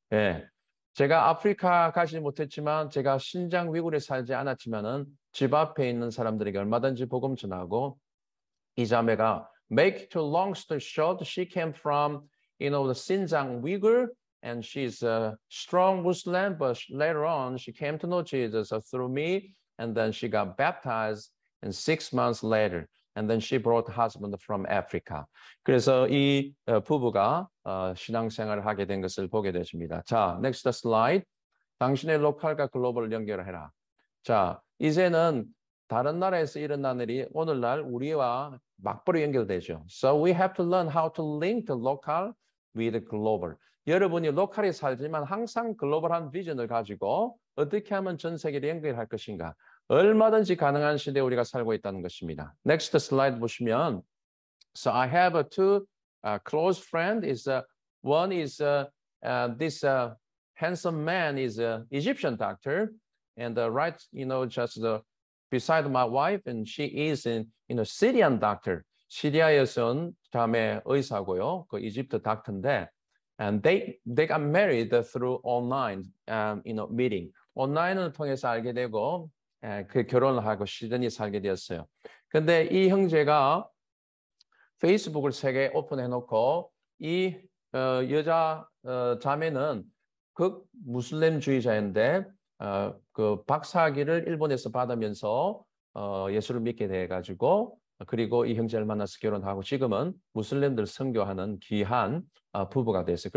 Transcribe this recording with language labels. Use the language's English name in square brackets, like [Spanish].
[Korean] 예. 제가 아프리카 가지 못했지만 제가 신장 위구르에 살지 않았지만은 집 앞에 있는 사람들에게 얼마든지 복음 전하고 이 자매가 [English] make it to long story short she came from you know the Xinjiang Uyghur and she's a strong Muslim but later on she came to know Jesus through me and then she got baptized and 6 months later and then she brought husband from Africa. [Korean] 그래서 이 부부가 신앙생활을 하게 된 것을 보게 되십니다. 자, [English] next slide. [Korean] 당신의 로컬과 글로벌을 연결해라. 자, 이제는 다른 나라에서 일어난 일이 오늘날 우리와 맞벌이 연결되죠. [English] So we have to learn how to link the local with the global. [Korean] 여러분이 로컬에 살지만 항상 글로벌한 비전을 가지고 어떻게 하면 전 세계를 연결할 것인가. 얼마든지 가능한 시대에 우리가 살고 있다는 것입니다. [English] Next slide [Korean] 보시면 [English] So I have two close friends. One is this handsome man is an Egyptian doctor and right, you know, just beside my wife and she is a you know, Syrian doctor. [Korean] 시리아에서 온 자매 의사고요. 그 이집트 닥터인데 [English] and they got married through online you know, meeting. [Korean] 온라인을 통해서 알게 되고 그 결혼을 하고 시드니 살게 되었어요. 근데 이 형제가 페이스북을 세계에 오픈해 놓고 이 여자 자매는 극 무슬림주의자인데 그 박사학위를 일본에서 받으면서 예수를 믿게 돼 가지고 그리고 이 형제를 만나서 결혼하고 지금은 무슬림들 선교하는 귀한 부부가 됐어요.